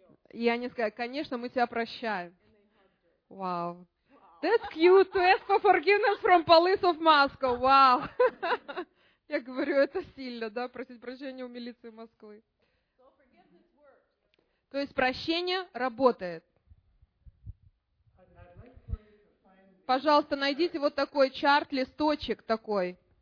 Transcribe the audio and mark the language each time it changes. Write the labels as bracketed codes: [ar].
[ru] И они сказали: «Конечно, мы тебя прощаем». Вау. [en] That's cute to ask for forgiveness from police of Moscow. [ru] Вау. Я говорю, это сильно, да, просить прощения у милиции Москвы. То есть прощение работает. Пожалуйста, найдите вот такой чарт, листочек такой.